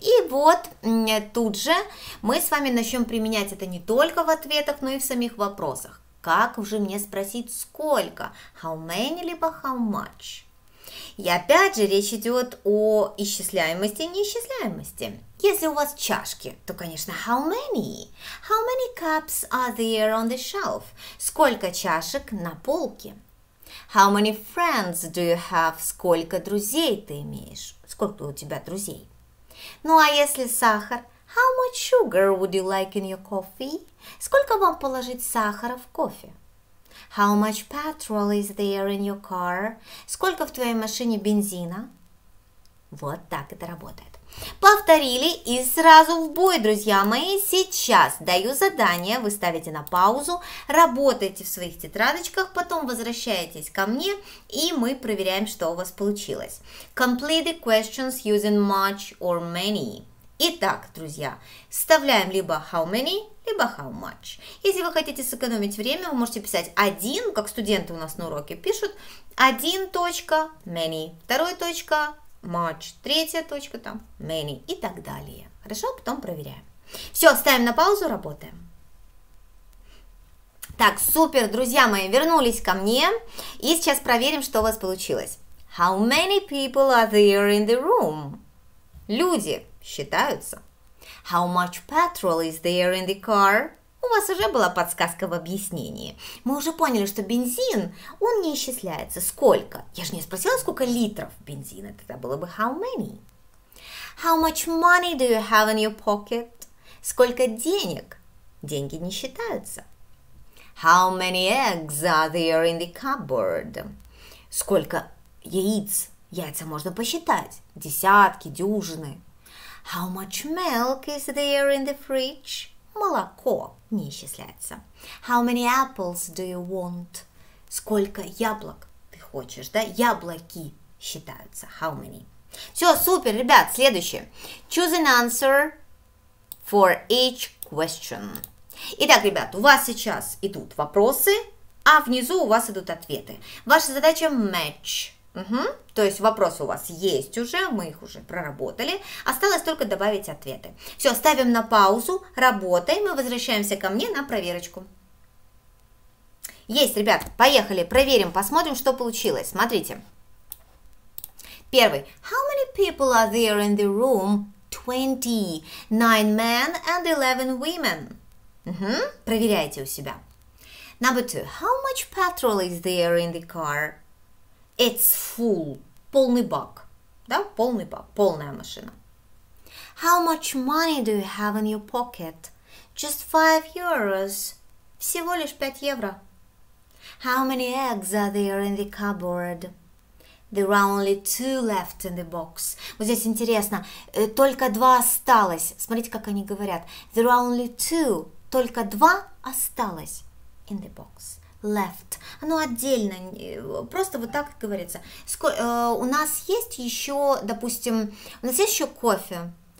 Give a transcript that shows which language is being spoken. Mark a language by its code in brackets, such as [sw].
[ru] И вот тут же мы с вами начнем применять это не только в ответах, но и в самих вопросах. Как уже мне спросить сколько? [en] How many, либо how much? [ru] И опять же, речь идет о исчисляемости и неисчисляемости. Если у вас чашки, то, конечно, how many? [en] How many cups are there on the shelf? [ru] Сколько чашек на полке? [en] How many friends do you have? [ru] Сколько друзей ты имеешь? Сколько у тебя друзей? Ну, а если сахар? [en] How much sugar would you like in your coffee? [ru] Сколько вам положить сахара в кофе? [en] How much petrol is there in your car? [ru] Сколько в твоей машине бензина? Вот так это работает. Повторили и сразу в бой, друзья мои. Сейчас даю задание, вы ставите на паузу, работаете в своих тетрадочках, потом возвращаетесь ко мне, и мы проверяем, что у вас получилось. [en] Complete the questions using much or many. [ru] Итак, друзья, вставляем либо how many, либо how much. Если вы хотите сэкономить время, вы можете писать один, как студенты у нас на уроке пишут, один точка, many, второй точка, much, третья точка, там, many и так далее. Хорошо, потом проверяем. Все, ставим на паузу, работаем. Так, супер, друзья мои, вернулись ко мне, и сейчас проверим, что у вас получилось. [en] How many people are there in the room? [ru] Люди считаются. [en] How much petrol is there in the car? [ru] У вас уже была подсказка в объяснении. Мы уже поняли, что бензин, он не исчисляется. Сколько? Я же не спросила, сколько литров бензина. Тогда было бы how many? [en] How much money do you have in your pocket? [ru] Сколько денег? Деньги не считаются. [en] How many eggs are there in the cupboard? [ru] Сколько яиц? Яйца можно посчитать. Десятки, дюжины. [en] How much milk is there in the fridge? [ru] Молоко не исчисляется. [en] How many apples do you want? [ru] Сколько яблок ты хочешь, да? Яблоки считаются. How many? Все, супер, ребят, следующее. [en] Choose an answer for each question. [ru] Итак, ребят, у вас сейчас идут вопросы, а внизу у вас идут ответы. Ваша задача match. Угу. То есть вопросы у вас есть уже, мы их уже проработали. Осталось только добавить ответы. Все, ставим на паузу, работаем и возвращаемся ко мне на проверочку. Есть, ребят, поехали, проверим, посмотрим, что получилось. Смотрите. Первый. [en] How many people are there in the room? 20. 9 men and 11 women. Угу. [ru] Проверяйте у себя. [en] Number two. How much petrol is there in the car? It's full. [ru] Полный бак. Да, полный бак. Полная машина. [en] How much money do you have in your pocket? Just 5 euros. [ru] Всего лишь 5 евро. [en] How many eggs are there in the cupboard? There are only two left in the box. [ru] Вот здесь интересно, только два осталось. Смотрите, как они говорят. [en] There are only two, [ru] только два осталось [en] in the box. Left. [ru] Оно отдельно, просто вот так говорится. У нас есть еще, допустим, у нас есть еще кофе.